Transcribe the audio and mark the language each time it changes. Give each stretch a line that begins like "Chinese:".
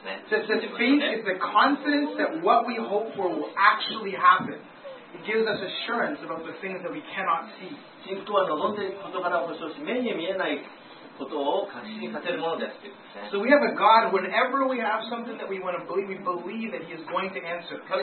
English: That faith is the confidence that what we hope for will actually happen. It gives us assurance about the things that we cannot see.
Japanese: 信仰は望んでいることから保証し、目に見えないことを確信させるものです。
English: So we have a God, whenever we have something that we want to believe, we believe that He is going to answer.